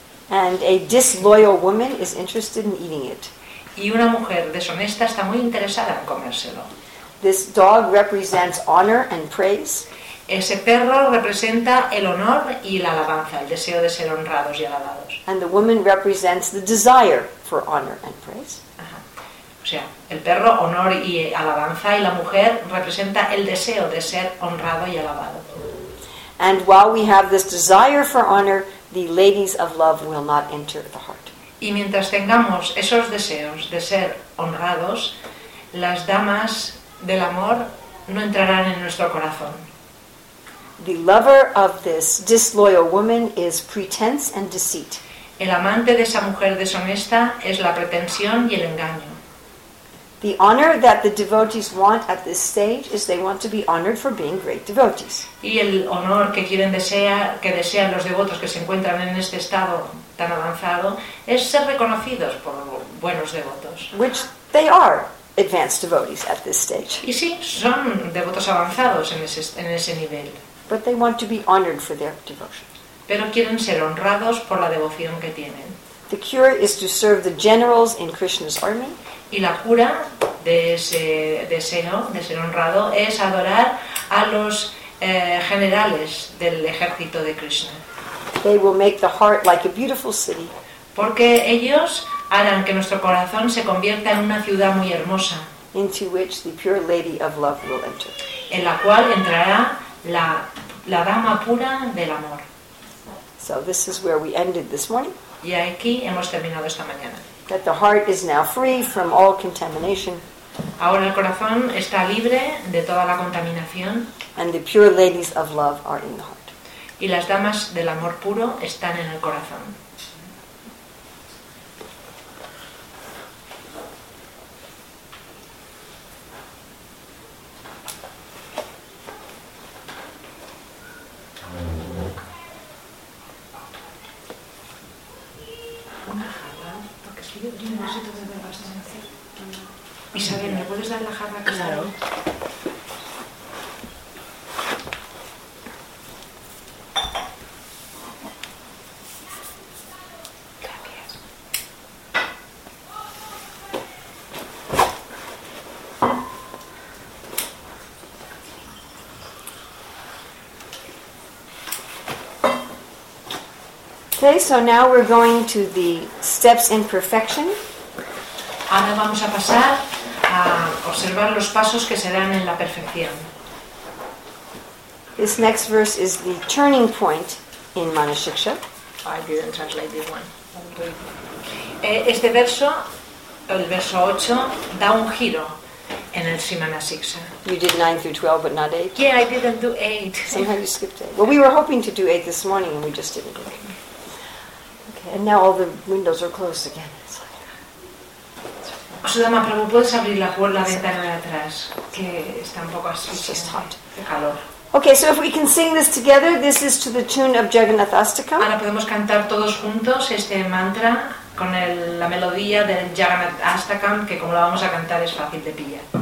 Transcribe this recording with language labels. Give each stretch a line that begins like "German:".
English: And a disloyal woman is interested in eating it.
Spanish: Y una mujer deshonesta está muy interesada en comérselo.
English: This dog represents honor and praise.
Spanish: Ese perro representa el honor y la alabanza, el deseo de ser honrados y alabados.
English: And the woman represents the desire for honor and praise.
Spanish: Ajá. O sea, el perro honor y alabanza y la mujer representa el deseo de ser honrado y alabado.
English: And while we have this desire for honor, the ladies of love will not enter the heart.
Spanish: Y mientras tengamos esos deseos de ser honrados, las damas del amor no entrarán en nuestro corazón.
English: The lover of this disloyal woman is pretense and deceit.
Spanish: El amante de esa mujer deshonesta es la pretensión y el engaño.
English: The honor that the devotees want at this stage is they want to be honored for being great devotees.
Spanish: Y el honor que quieren desean los devotos que se encuentran en este estado tan avanzado es ser reconocidos por buenos devotos.
English: Which they are, advanced devotees at this stage.
Spanish: Y sí, son devotos avanzados en ese nivel.
English: But they want to be honored for their devotion.
Spanish: Pero quieren ser honrados por la devoción que tienen.
English: The cure is to serve the generals in Krishna's army.
Spanish: Y la cura de ese deseo de ser honrado es adorar a los generales del ejército de Krishna.
English: They will make the heart like a beautiful city.
Spanish: Porque ellos harán que nuestro corazón se convierta en una ciudad muy hermosa.
English: Into which the pure lady of love will enter.
Spanish: En la cual entrará la dama pura del amor.
English: So this is where we ended this morning.
Spanish: Y aquí hemos terminado esta mañana.
English: That the heart is now free from all contamination.
Spanish: Ahora el corazón está libre de toda la contaminación.
English: And the pure ladies of love are in the heart.
Spanish: Y las damas del amor puro están en el corazón. Isabel, ¿me puedes dar la jarra? Claro.
English: Okay, so now we're going to the steps in perfection.
Spanish: Ahora vamos a pasar a observar los pasos que se dan en la perfección.
English: This next verse is the turning point in Manushiksha. I didn't translate this one.
Spanish: Este verso, el verso 8, da un giro en el Simanasiksha.
English: You did 9 through 12, but not 8? Yeah, I didn't do 8. Somehow you skipped 8. Well, we were hoping to do 8 this morning, and we just didn't do 8. Okay, and now all the windows are closed again.
Spanish: Sudama Prabhu, ¿puedes abrir la puerta, la ventana de atrás? Que está un poco así.
English: It's just hot.
Spanish: Calor.
English: Okay, so if we can sing this together, this is to the tune of Jagannath Astakam.
Spanish: Ahora podemos cantar todos juntos este mantra con el, la melodía del Jagannath Astakam, que como la vamos a cantar es fácil de pillar.